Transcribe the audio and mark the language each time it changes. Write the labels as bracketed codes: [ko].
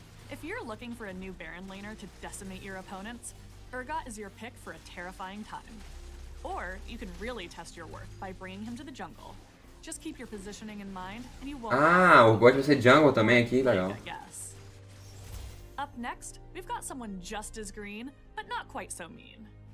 [en] If you're looking for a new Baron laner to decimate your opponents, Urgot is your pick for a terrifying time. Or you can really test your worth by bringing him to the jungle. Just keep your positioning in mind and you won't. [pt] Ah, o Urgot vai ser jungle também aqui, legal. [en] Up next, we've got someone just as green, but not quite so mean.